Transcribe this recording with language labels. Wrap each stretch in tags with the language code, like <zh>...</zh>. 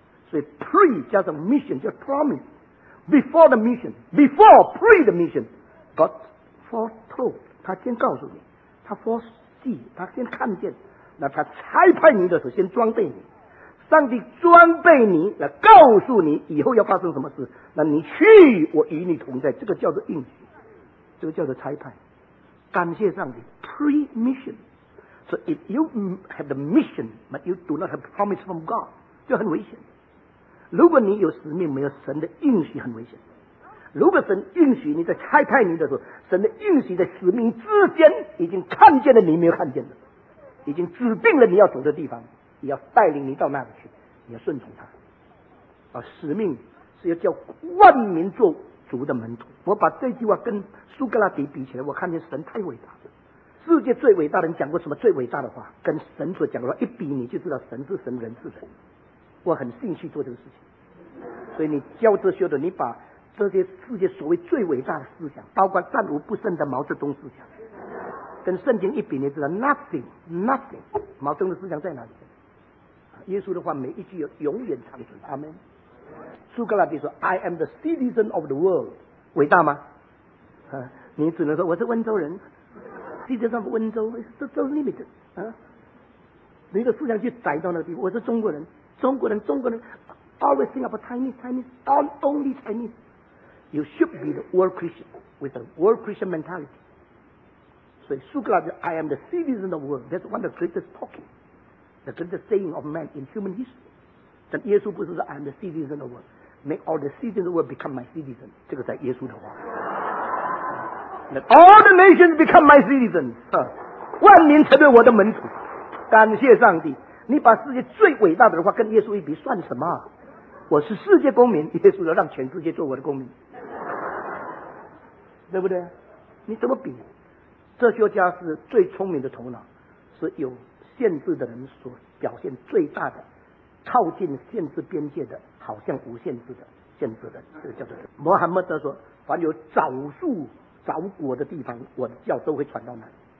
<zh>所以 pre 加上 mission 叫 promise，</zh> <en>before the mission， before pre the mission， God foretold，</en> <zh>他先告诉你，他 foresee， 他先看见，那他差派你的时候先装备你，上帝装备你来告诉你以后要发生什么事，那你去，我与你同在，这个叫做应许，这个叫做差派。感谢上帝 pre-mission。</zh> <en>So if you have the mission but you do not have promise from God，</en> <zh>就很危险。如果你有使命没有神的应许，很危险。如果神应许你在差派你的时候，神的应许在使命之间已经看见了你没有看见的，已经指定了你要走的地方，也要带领你到那里去，你要顺从他。而使命是要叫万民做主的门徒。我把这句话跟苏格拉底比起来，我看见神太伟大了。世界最伟大的人讲过什么最伟大的话，跟神所讲的话一比，你就知道神是神，人是神。我很兴趣做这个事情。所以你教哲学的，你把这些世界所谓最伟大的思想，包括战无不胜的毛泽东思想，跟圣经一比，你知道 nothing。毛泽东的思想在哪里？耶稣的话每一句永远长存。阿们。苏格拉底说</zh> <en>I am the citizen of the world，</en> <zh>伟大吗？你只能说我是温州人， citizen of 温州，</zh> <en>so limited。</en> <zh>你的思想就窄到那个地步。我是中国人，中国人，中国人，</zh> <en>always think about Chinese， only ChineseYou should be the world Christian with a world Christian mentality。</en> <zh>所以苏格拉底</zh> <en>I am the citizen of the world， that's one of the greatest talking， the greatest saying of man in human history。</en> <zh>但耶稣不是说</zh> <en>I am the citizen of the world， make all the citizens of the world become my citizen，</en> <zh>这个在耶稣的话。</zh> <en>Let all the nations become my citizens，</en> <zh>万民成为我的门徒。感谢上帝，你把世界最伟大的话跟耶稣一比算什么？我是世界公民，耶稣要让全世界做我的公民，对不对？你怎么比？哲学家是最聪明的头脑，是有限制的人所表现最大的，靠近限制边界的，好像无限制的限制的，这个叫做穆罕默德说，凡有枣树枣果的地方，我的教都会传到那里。</zh>